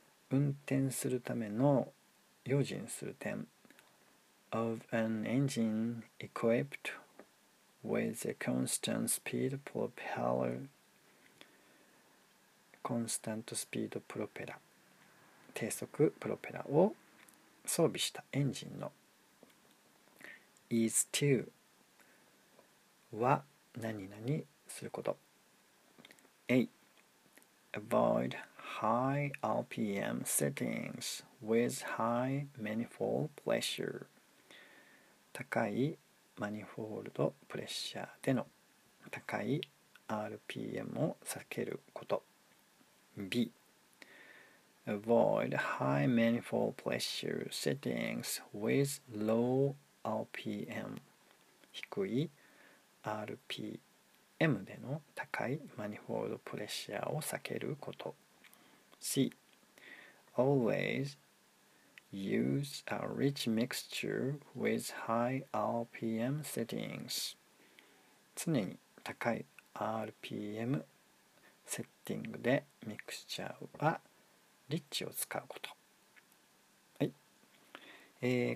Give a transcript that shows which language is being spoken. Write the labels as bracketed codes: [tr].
[ja] 運転するための用心する点。 [en] Of an engine equipped with a constant speed propeller. Constant speed propeller. [ja] 低速プロペラを装備したエンジンの。 [en] Is to. [ja] は何々すること。A. [en] Avoid high RPM settings with high manifold pressure. [ja] 高いマニフォールドプレッシャーでの高い RPM を避けること。 [en] B. Avoid high manifold pressure settings with low RPM. [ja] 低い RPM での高いマニフォールドプレッシャーを避けること。 [en] C. Always use a rich mixture with high RPM settings. [ja] 常に高い RPM セッティングでミクスチャーはリッチを使うこと。はい。